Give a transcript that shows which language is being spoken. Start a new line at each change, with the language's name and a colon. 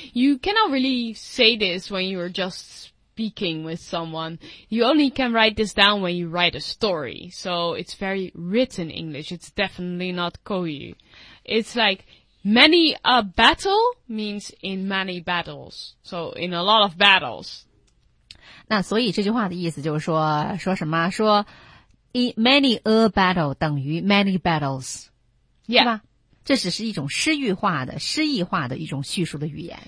English: You cannot really say this when you are just speaking with someone. You only can write this down when you write a story. So it's very written English. It's definitely not Koyu. It's like... Many a battle means in many battles. So, in a lot of battles.
Chinese: 那所以这句话的意思就是说，说什么？
English: 说 many a battle 等于 many battles. Yeah.
Chinese: 是吧？这只是一种诗意化的，诗意化的一种叙述的语言。